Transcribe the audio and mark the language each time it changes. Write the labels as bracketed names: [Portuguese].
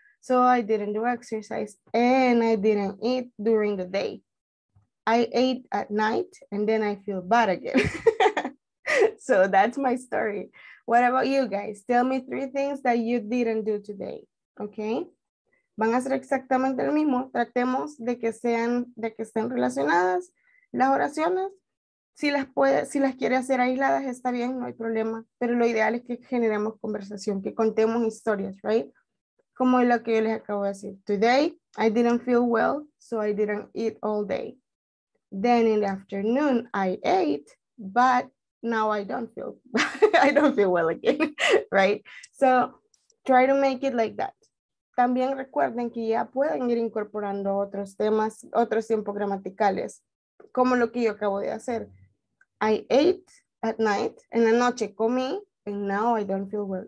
[English] So I didn't do exercise and I didn't eat during the day. I ate at night and then I feel bad again. So that's my story. What about you guys? Tell me three things that you didn't do today, okay? [Spanish] Van a ser exactamente lo mismo. Tratemos de que sean, de que estén relacionadas las oraciones. Si las quiere hacer aisladas, está bien, no hay problema. Pero lo ideal es que generemos conversación, que contemos historias, right? Como lo que yo les acabo de decir. [English] Today, I didn't feel well, so I didn't eat all day. Then in the afternoon, I ate, but now I don't feel well again, right? So try to make it like that. [Spanish] También recuerden que ya pueden ir incorporando otros temas, otros tiempos gramaticales, como lo que yo acabo de hacer. [English] I ate at night, [Spanish] en la noche comí, [English] and now I don't feel well.